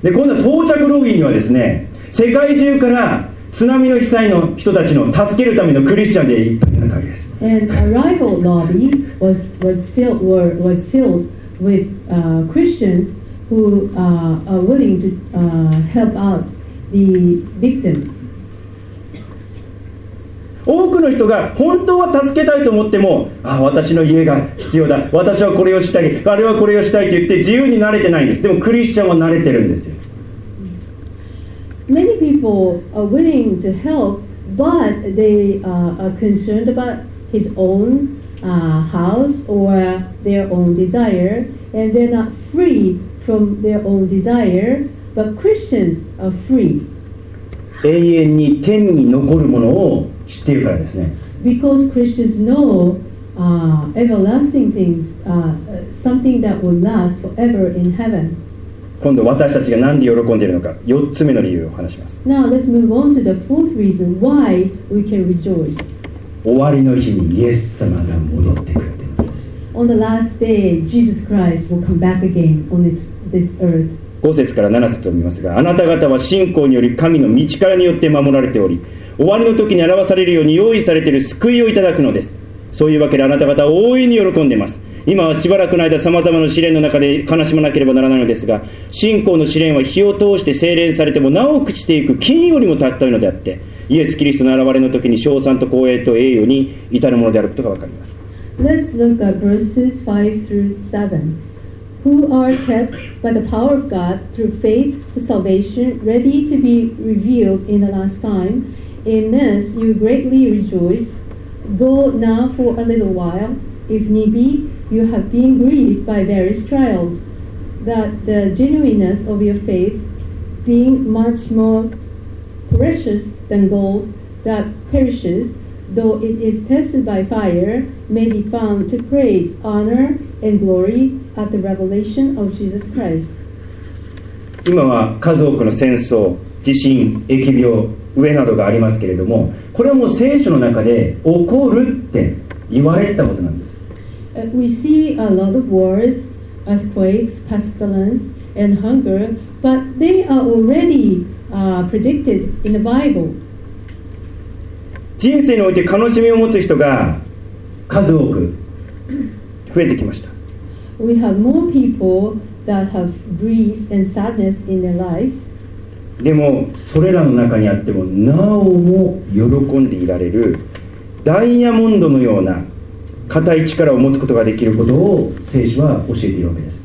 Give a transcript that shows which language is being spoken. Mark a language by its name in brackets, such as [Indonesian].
[Japanese] で、今度は到着ロビーにはですね、世界中から津波の被災の人たちの助けるためのクリスチャンでいっぱいになったわけです。 [English] And arrival lobby was filled with Christians who are willing to help out the victims. [Japanese] 多くの人が本当は助けたいと思っても、私の家が必要だ、私はこれをしたい、あれはこれをしたいと言って自由になれてないんです。でもクリスチャンは慣れてるんですよ。 [English] Many people are willing to help, but they are concerned about his own house or their own desire, and they're not free from their own desire, but Christians are free. [Japanese] 永遠に天に残るものを知っているからですね。 [English] Because Christians know everlasting things, something that will last forever in heaven. [Japanese] 今度私たちが何で喜んでいるのか、4つ目の理由を話します。 [English] Now let's move on to the fourth reason why we can rejoice. [Japanese] 終わりの日にイエス様が戻ってくるというのです。 [English] On the last day, Jesus Christ will come back again on this earth. [Japanese] 5節から7節を見ますが、あなた方は信仰により神の御力によって守られており、終わりの時に表されるように用意されている救いをいただくのです。そういうわけであなた方は大いに喜んでいます。今はしばらくの間さまざまな試練の中で悲しまなければならないのですが、信仰の試練は火を通して精錬されてもなお朽ちていく金よりも尊いのであって、イエス・キリストの現れの時に称賛と光栄と栄誉に至るものであることがわかります。 [English] Let's look at verses 5 through 7. Who are kept by the power of God through faith for salvation, ready to be revealed in the last time. In this you greatly rejoice, though now for a little while, if need be, you have been grieved by various trials, that the genuineness of your faith, being much more precious than gold that perishes, though it is tested by fire, may be found to praise, honor, and glory. At the revelation of Jesus Christ. [Japanese] 今は数多くの戦争、地震、疫病、飢えなどがありますけれども、これはもう聖書の中で起こるって言われてたことなんです。 [English] We see a lot of wars, earthquakes, pestilence, and hunger, but they are already, predicted in the Bible. [Japanese] 人生において悲しみを持つ人が数多く増えてきました。 [English] We have more people that have grief and sadness in their lives. [Japanese] でもそれらの中にあってもなおも喜んでいられるダイヤモンドのような固い力を持つことができることを聖書は教えているわけです。